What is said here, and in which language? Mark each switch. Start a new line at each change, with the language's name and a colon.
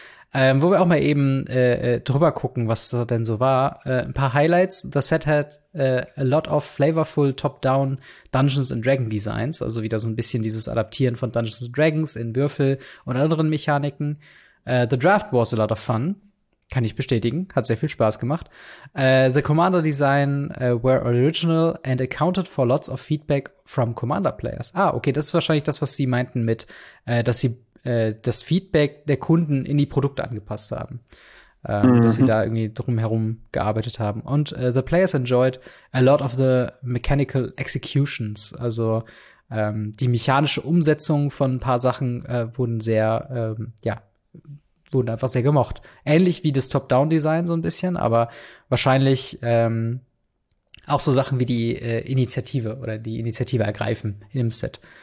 German: Wo wir auch mal eben drüber gucken, was da denn so war. Ein paar Highlights. Das Set hat
English: a lot of flavorful top-down
German: Dungeons and Dragon Designs. Also wieder so ein bisschen dieses Adaptieren von Dungeons and Dragons in Würfel und anderen Mechaniken.
English: The Draft was a lot of fun.
German: Kann ich bestätigen, hat sehr viel Spaß gemacht.
English: The Commander Design were original and accounted for lots of feedback from Commander Players.
German: Ah, okay, das ist wahrscheinlich das, was sie meinten mit, dass sie das Feedback der Kunden in die Produkte angepasst haben. Dass sie da irgendwie drumherum gearbeitet haben.
English: Und the players enjoyed a lot of the mechanical executions.
German: Also die mechanische Umsetzung von ein paar Sachen wurden sehr, ja, wurden einfach sehr gemocht. Ähnlich wie das Top-Down-Design so ein bisschen, aber wahrscheinlich auch so Sachen wie die Initiative oder die Initiative ergreifen in dem Set.